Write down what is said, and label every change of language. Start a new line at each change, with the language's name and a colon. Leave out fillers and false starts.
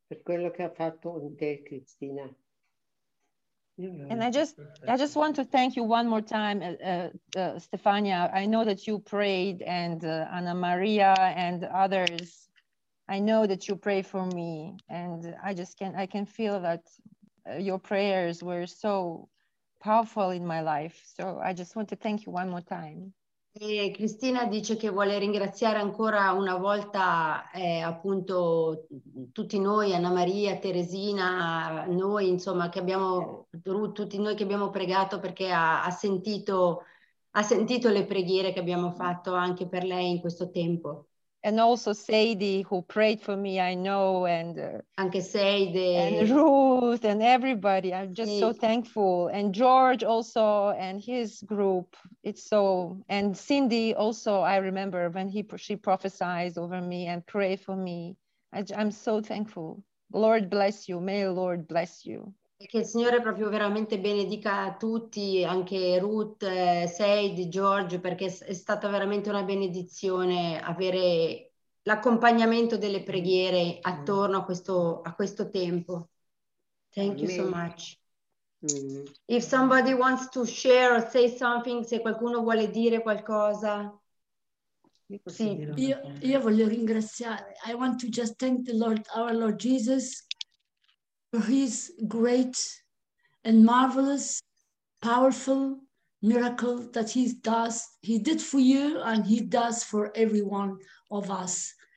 Italian: per quello che ha fatto con te, Cristina.
English: And I just want to thank you one more time, Stefania. I know that you prayed, and Anna Maria and others. I know that you pray for me, and I can feel that your prayers were so powerful in my life. So I just want to thank you one more time.
Italian: E Cristina dice che vuole ringraziare ancora una volta appunto tutti noi, Anna Maria, Teresina, noi insomma che abbiamo, tutti noi che abbiamo pregato, perché ha sentito le preghiere che abbiamo fatto anche per lei in questo tempo.
English: And also Sadie, who prayed for me, I know, and
Italian: anche Sadie,
English: and Ruth, and everybody. I'm just so thankful. And George also, and his group. It's so. And Cindy also, I remember when she prophesied over me and prayed for me. I'm so thankful. Lord bless you. May the Lord bless you.
Italian: Che il Signore proprio veramente benedica a tutti, anche Ruth, Sadie, George, perché è stata veramente una benedizione avere l'accompagnamento delle preghiere attorno a questo tempo.
English: Thank you so much. If somebody wants to share or say something,
Italian: se qualcuno vuole dire qualcosa. Sì, io voglio ringraziare.
English: I want to just thank the Lord, our Lord Jesus, for his great and marvelous, powerful miracle that he did for you and he does for every one of us.